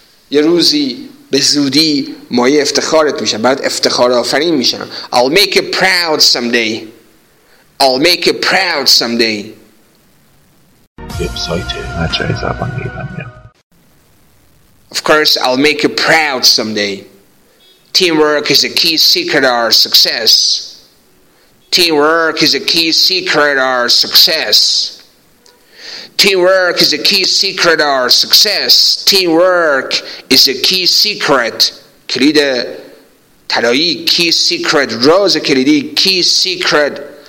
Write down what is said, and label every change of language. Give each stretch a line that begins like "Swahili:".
Persian: یه روزی به زودی مایه افتخارت میشم. بعد افتخار آفرین میشم.
English: I'll make you proud someday. I'll make you proud someday.
Persian: وبسایت مجله زبان ایرانی.
English: Of course, I'll make you proud someday. Teamwork is a key secret of our success. Teamwork is a key secret of our success. Teamwork is a key secret of our success. Teamwork is a key secret.
Persian: کلید طلایی,
English: key secret.
Persian: روز کلیدی, key secret